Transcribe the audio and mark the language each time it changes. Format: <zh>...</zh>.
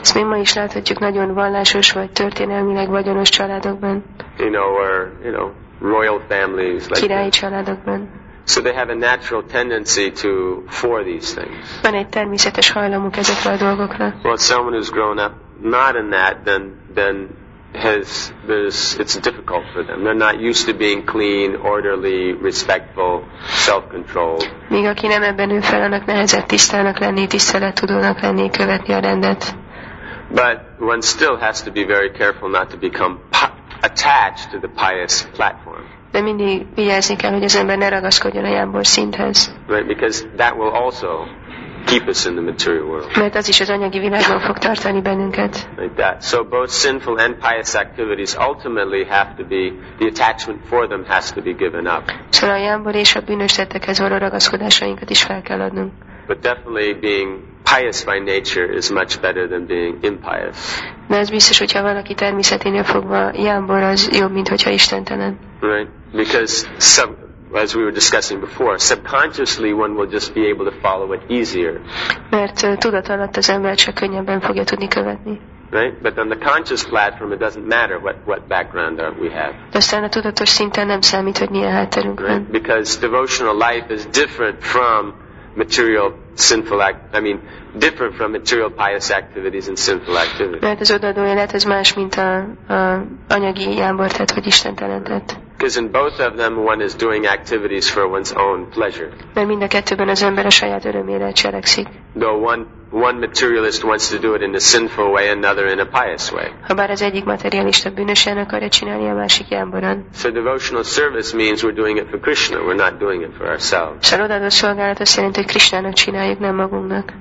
<hu>Ezt még ma is láthatjuk nagyon vallásos vagy történelmileg vagyonos családokban.</hu> <en>You know, royal families. Like</en> <hu>királyi családokban.</hu> <en>So they have a natural tendency to for these things.</en> <hu>Van egy természetes hajlamuk ezekre a dolgokra.</hu> <en>Well, someone who's grown up not in that, then has this, it's difficult for them. They're not used to being clean, orderly, respectful, self-controlled.</en> <hu>Míg aki nem ebben nő fel, annak nehezebb tisztának lenni, tiszteletudónak lenni, követni a rendet.</hu> <en>But one still has to be very careful not to become attached to the pious platform.</en> <hu>De mindig vigyázni kell, hogy az ember ne ragaszkodjon a jámbor szinthez.</hu> <en>Right, because that will also keep us in the material world.</en> <hu>Mert az is az anyagi világban fog tartani bennünket.</hu> <en>Like that. So both sinful and pious activities ultimately have to be, the attachment for them has to be given up.</en> <hu>Szóval a jámbor és a bűnös tettekhez való ragaszkodásainkat is fel kell adnunk.</hu> <en>But definitely being pious by nature is much better than being impious.</en> <hu>De az biztos, hogyha valaki természeténél fogva jámbor, az jobb, mint hogyha istentelen.</hu> <en>Right, because some, as we were discussing before, subconsciously one will just be able to follow it easier.</en> <hu>Mert tudat alatt az ember csak könnyebben fogja tudni követni.</hu> <en>Right, but on the conscious platform, it doesn't matter what background we have.</en> <hu>De aztán a tudatos szinten nem számít, hogy milyen hátterünk van.</hu> <en>Right? Because devotional life is different from material sinful act, I mean, different from material pious activities and sinful activities.</en> <hu>Mert az odaadó élet ez más, mint a anyagi jámbor, tehát hogy istentelen tett.</hu> <en>Because in both of them, one is doing activities for one's own pleasure.</en> <hu>Mert mind a kettőben az ember a saját örömére cselekszik.</hu> <en>Though one materialist wants to do it in a sinful way, another in a pious way.</en> <hu>Habár az egyik materialista bűnösen akarja csinálni, a másik jámboran.</hu> <en>So devotional service means we're doing it for Krishna, we're not doing it for ourselves.</en> <hu>Szóval odaadó szolgálat azt jelenti, hogy Krishnának csináljuk, nem magunknak.</hu>